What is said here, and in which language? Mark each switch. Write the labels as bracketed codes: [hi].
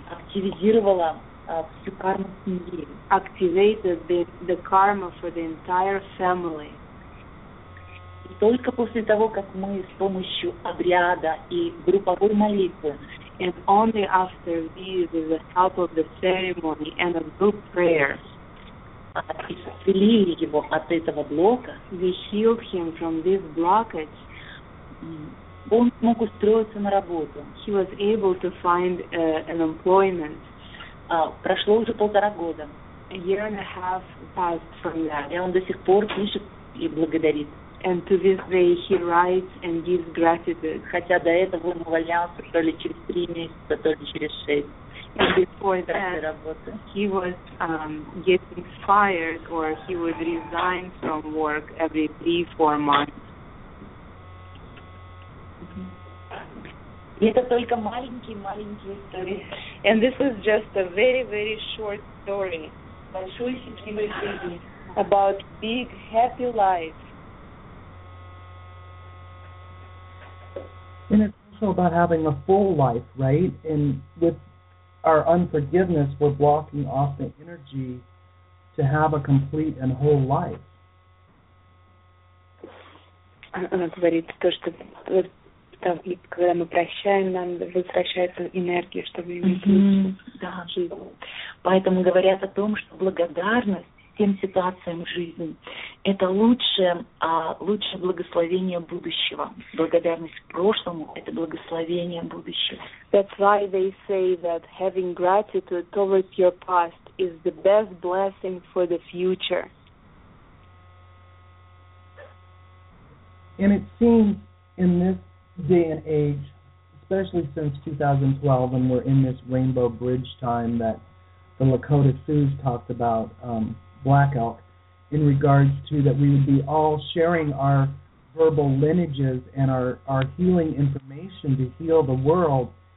[ru] активизировала всю карму семьи. [en] Activated the karma for the entire family. [ru] И только после того, как мы с помощью обряда и групповой молитвы, [en] and only after with the help of the ceremony and a group prayer, [ru] исцелили его от этого блока, [en] we healed him from this blockage, [ru] он смог устроиться на работу. [en] He was able to find an employment. [ru] Прошло уже 1.5 года. [en] A year and a half passed from that. [ru] И он до сих пор пишет и благодарит. [en] And to this day he writes and gives gratitude. [ru] Хотя до этого он валялся то ли через 3 месяца, то ли через 6. [en] And before that he was getting fired or he would resign from work every 3-4 months. [ru] И это только маленькие-маленькие истории. [en] And this is just a very, very short story. [ru] Большой счастливой жизни. [en] About big, happy life. And it's also about having a full life, right? And with our unforgiveness, we're blocking off the energy to have a complete and whole life. [ru] Она говорит то, что там, когда мы прощаем, нам возвращается энергия, чтобы иметь жизнь. Поэтому говорят о том, что благодарность тем ситуациям жизни – это лучшее благословение будущего. Благодарность прошлому – это благословение будущего. [en] That's why they say that having gratitude towards your past is the best blessing for the future. And it seems in this day and age, especially since 2012, and we're in this Rainbow Bridge time that the Lakota Sioux talked about, Black Elk, in regards to that we would be all sharing our verbal lineages and our healing information to heal the world.